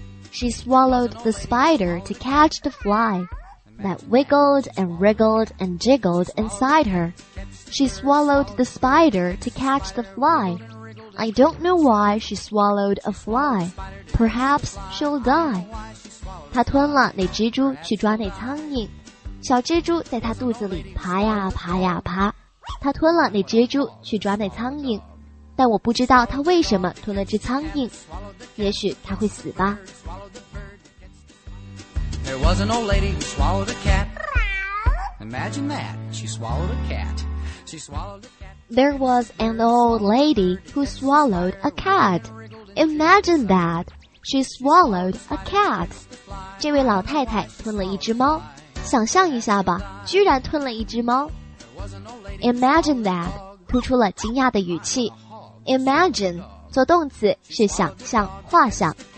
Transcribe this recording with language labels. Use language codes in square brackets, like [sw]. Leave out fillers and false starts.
[en] She swallowed the spider to catch the fly, that wiggled and wriggled and jiggled inside her. She swallowed the spider to catch the fly, I don't know why she swallowed a fly, perhaps she'll die. [zh] 他吞了那蜘蛛去抓那苍蝇，小蜘蛛在他肚子里爬呀爬呀爬。他吞了那蜘蛛去抓那苍蝇，但我不知道他为什么吞了只苍蝇，也许他会死吧。 [en] There was an old lady who swallowed a cat. Imagine that, she swallowed a cat. She swallowed a cat. There was an old lady who swallowed a cat. Imagine that. She swallowed a cat. [zh] 这位老太太吞了一只猫，想象一下吧，居然吞了一只猫。 [en] Imagine that， [zh] 突出了惊讶的语气。Imagine， 做动词是想象、画想。